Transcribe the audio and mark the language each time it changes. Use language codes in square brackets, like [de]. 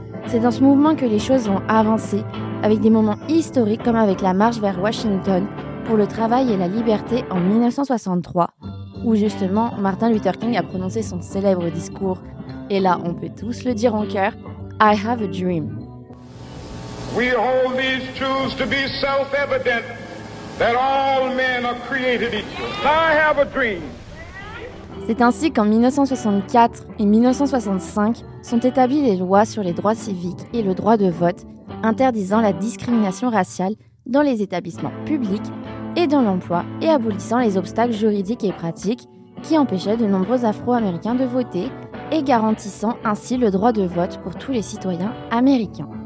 [fr] C'est dans ce mouvement que les choses vont avancer, avec des moments historiques comme avec la marche vers Washington pour le travail et la liberté en 1963, où justement Martin Luther King a prononcé son célèbre discours, et là on peut tous le dire en cœur, « [en] I have a dream ». We hold these truths to be self-evident, that all men are created equal. I have a dream. [fr] C'est ainsi qu'en 1964 et 1965 sont établies les lois sur les droits civiques et le droit de vote, interdisant la discrimination raciale dans les établissements publics et dans l'emploi et abolissant les obstacles juridiques et pratiques qui empêchaient de nombreux Afro-Américains de voter et garantissant ainsi le droit de vote pour tous les citoyens américains.